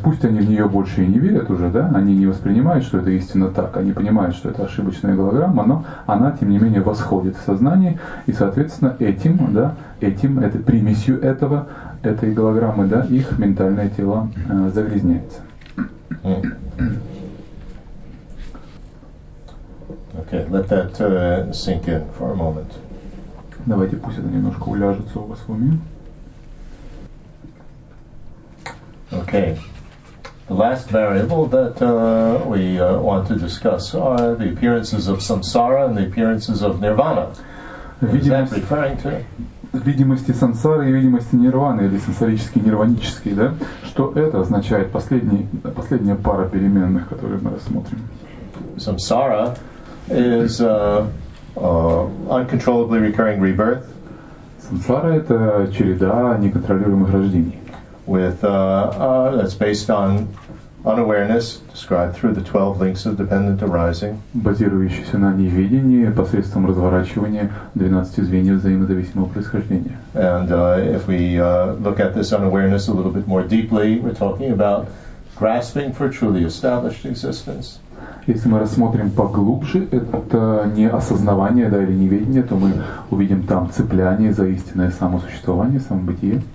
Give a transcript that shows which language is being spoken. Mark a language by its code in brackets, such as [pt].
[ru] Пусть они в нее больше и не верят уже, да, они не воспринимают, что это истинно так, они понимают, что это ошибочная голограмма, но она, тем не менее, восходит в сознание, и, соответственно, этим, да, этим, этой примесью этого, этой голограммы, да, их ментальное тело загрязняется. [en] Okay, let that sink in for a moment. [ru] Давайте пусть это немножко уляжется у вас в уме. [en] Okay. The last variable that we want to discuss are the appearances of samsara and the appearances of nirvana. What is that referring to? [ru] Видимости сансары и видимости нирваны, или сансарические, нирванические, да? Что это означает? Последняя пара переменных, которые мы рассмотрим. [en] Samsara is uncontrollably recurring rebirth. [ru] Сансара — это череда неконтролируемых рождений. [en] With that's based on unawareness, described through the 12 links of dependent arising. [ru] Базирующийся на невидении посредством разворачивания 12 звеньев взаимозависимого происхождения. [en] And if we look at this unawareness a little bit more deeply, we're talking about grasping for truly established existence. [ru] Если мы рассмотрим поглубже это неосознавание, да, или неведение, то мы увидим там цепляние за истинное самосуществование, самобытие.